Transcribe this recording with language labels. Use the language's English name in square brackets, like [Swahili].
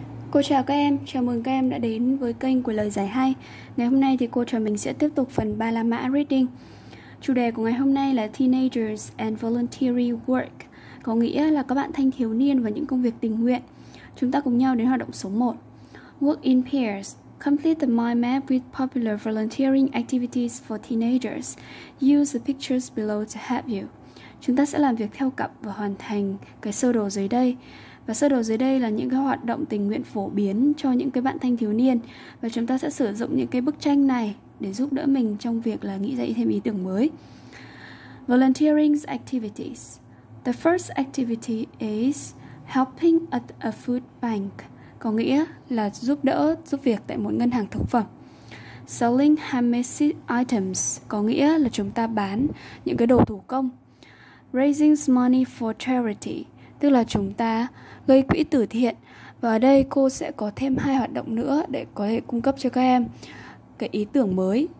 [Vietnamese] Cô chào các em, chào mừng các em đã đến với kênh của Lời Giải Hay. Ngày hôm nay thì cô trò mình sẽ tiếp tục phần 3 La Mã Reading. Chủ đề của ngày hôm nay là [English] Teenagers and Voluntary Work, [Vietnamese] có nghĩa là các bạn thanh thiếu niên và những công việc tình nguyện. Chúng ta cùng nhau đến hoạt động số 1. [English] Work in pairs. Complete the mind map with popular volunteering activities for teenagers. Use the pictures below to help you. [Vietnamese] Chúng ta sẽ làm việc theo cặp và hoàn thành cái sơ đồ dưới đây. Và sơ đồ dưới đây là những cái hoạt động tình nguyện phổ biến cho những cái bạn thanh thiếu niên. Và chúng ta sẽ sử dụng những cái bức tranh này để giúp đỡ mình trong việc là nghĩ dậy thêm ý tưởng mới. [English] Volunteering activities. The first activity is helping at a food bank. [Vietnamese] Có nghĩa là giúp đỡ, giúp việc tại một ngân hàng thực phẩm. [English] Selling handmade items. [Vietnamese] Có nghĩa là chúng ta bán những cái đồ thủ công. [English] Raising money for charity. [Vietnamese] Tức là chúng ta gây quỹ từ thiện. Và ở đây cô sẽ có thêm hai hoạt động nữa để có thể cung cấp cho các em cái ý tưởng mới.